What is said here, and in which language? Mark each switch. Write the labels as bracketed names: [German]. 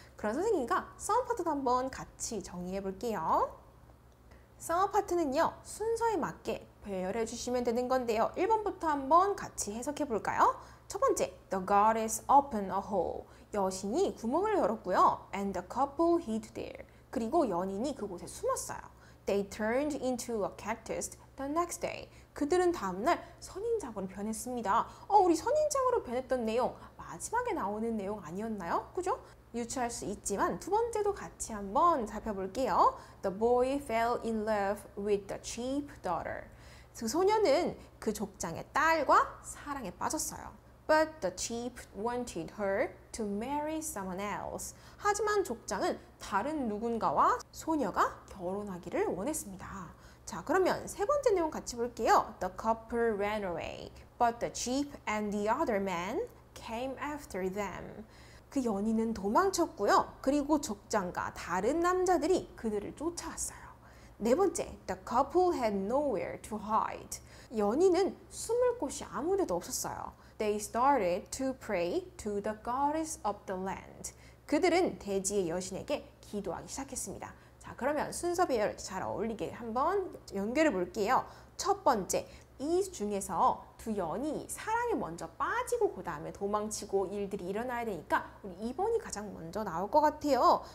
[Korean] 그럼 선생님과 썸 파트도 한번 같이 정리해 볼게요. 썸 파트는요. 순서에 맞게 배열해 주시면 되는 건데요. 1번부터 한번 같이 해석해 볼까요? 첫 번째, [English] the goddess opened a hole. [Korean] 여신이 구멍을 열었고요. [English] and the couple hid there. [Korean] 그리고 연인이 그곳에 숨었어요. [English] they turned into a cactus the next day. [Korean] 그들은 다음날 선인장으로 변했습니다. 우리 선인장으로 변했던 내용, 마지막에 나오는 내용 아니었나요? 그죠? 유추할 수 있지만 두 번째도 같이 한번 살펴볼게요. [English] The boy fell in love with the chief daughter. [Korean] 그 소녀는 그 족장의 딸과 사랑에 빠졌어요. [English] But the chief wanted her to marry someone else. [Korean] 하지만 족장은 다른 누군가와 소녀가 결혼하기를 원했습니다. 자, 그러면 세 번째 내용 같이 볼게요. [English] The couple ran away, but the chief and the other man came after them. [Korean] 그 연인은 도망쳤고요. 그리고 족장과 다른 남자들이 그들을 쫓아왔어요. 네 번째, [English] the couple had nowhere to hide. [Korean] 연인은 숨을 곳이 아무데도 없었어요. [English] They started to pray to the goddess of the land. [Korean] 그들은 대지의 여신에게 기도하기 시작했습니다. 자, 그러면 순서 배열 잘 어울리게 한번 연결해 볼게요. 첫 번째, 이 중에서 두 연이 사랑에 먼저 빠지고 그 다음에 도망치고 일들이 일어나야 되니까 우리 2번이 가장 먼저 나올 것 같아요.